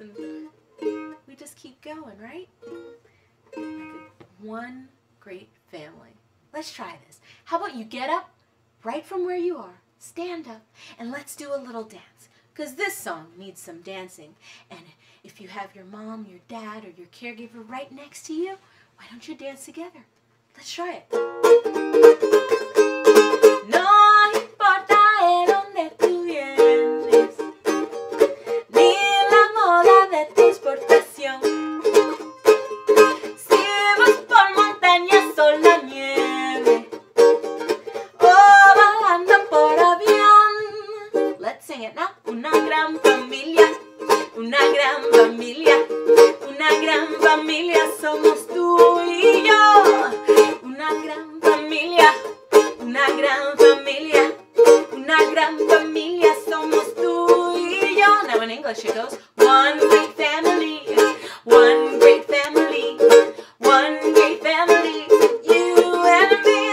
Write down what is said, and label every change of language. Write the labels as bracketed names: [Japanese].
[English] And we just keep going, right? Like one great family. Let's try this. How about you get up right from where you are, stand up, and let's do a little dance. Because this song needs some dancing. And if you have your mom, your dad, or your caregiver right next to you, why don't you dance together? Let's try it. [Spanish] No importa el donde tú vienes, ni la moda de transportación. Si vas por montaña, sol, la nieve, o volando por avión. [English] Let's sing it now. [Spanish] Una gran familia. Una gran familia, una gran familia somos tú y yo. Una gran familia, una gran familia, una gran familia somos tú y yo. [English] Now in English it goes, one great family, one great family, one great family, you and me.